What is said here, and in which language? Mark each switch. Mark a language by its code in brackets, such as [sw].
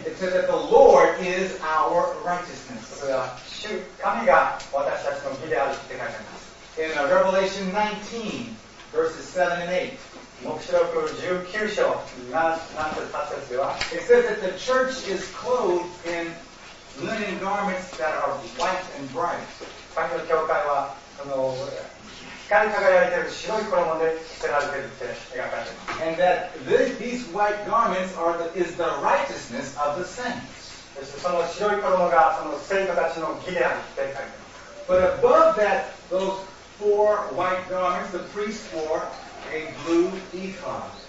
[en] It says that the Lord is our righteousness. [ja] それは主、神が私たちの義であるって書いてあります。 [en] In Revelation 19 verses 7 and 8, [ja] 黙示録19章何節か説では [en] It says that the church is clothed in linen garments that are white and bright. [ja] 先の教会はその光り輝いている白い衣で着せられているって描かれています [en] And that these white garments are the, is the righteousness of the saints. [ja] そしてその白い衣がその聖徒たちの義であるって書いてます [en] But above that, those four white garments, the priest wore A blue ephod.